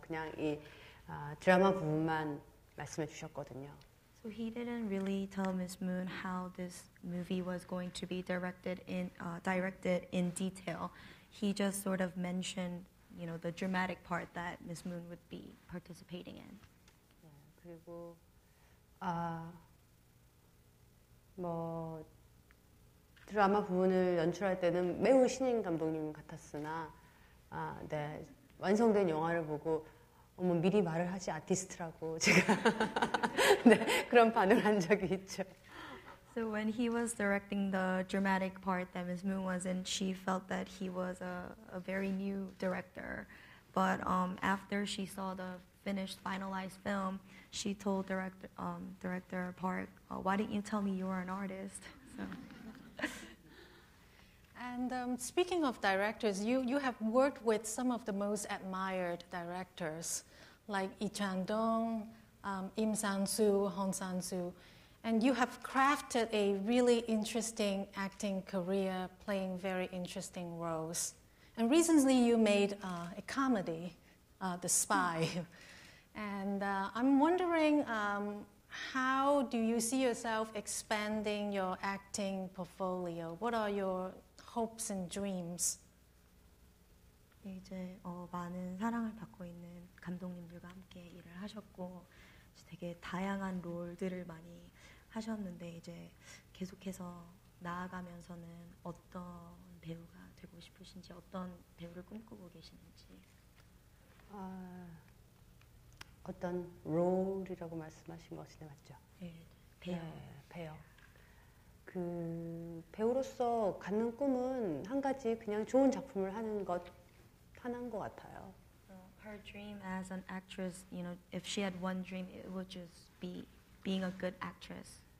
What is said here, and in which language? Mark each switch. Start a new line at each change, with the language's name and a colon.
Korean: 그냥 이 드라마 부분만 말씀해 주셨거든요.
English: So he didn't really tell Ms. Moon how this movie was going to be directed in directed in detail. He just sort of mentioned, you know, the dramatic part that Ms. Moon would be participating in.
Korean: 그리고 뭐 드라마 부분을 연출할 때는 매우 신인 감독님 같았으나 네, 완성된 영화를 보고 어머 미리 말을 하지 아티스트라고 제가 네, 그런 반응을 한 적이 있죠.
English: So when he was directing the dramatic part that Ms. Moon was in, she felt that he was a very new director. But after she saw the finished, finalized film, she told director Park, why didn't you tell me you were an artist? So. And speaking of directors, you have worked with some of the most admired directors, like Lee Chang-dong, Im San-soo, Hong San-soo. And you have crafted a really interesting acting career, playing very interesting roles. And recently you made a comedy, The Spy. And I'm wondering, how do you see yourself expanding your acting portfolio? What are your hopes and dreams?
Korean: 이제 많은 사랑을 받고 있는 감독님들과 함께 일을 하셨고 되게 다양한 롤들을 많이 하셨는데 이제 계속해서 나아가면서는 어떤 배우가 되고 싶으신지 어떤 배우를 꿈꾸고 계시는지. 어떤 롤이라고 말씀하신 것인데 맞죠? 네, 배우. 네, 배우. 그 배우로서 갖는 꿈은 한 가지 그냥 좋은 작품을 하는 것 하나인 것 같아요.
English: Her dream as an actress, you know, if she had one dream, it would just be being a good actress.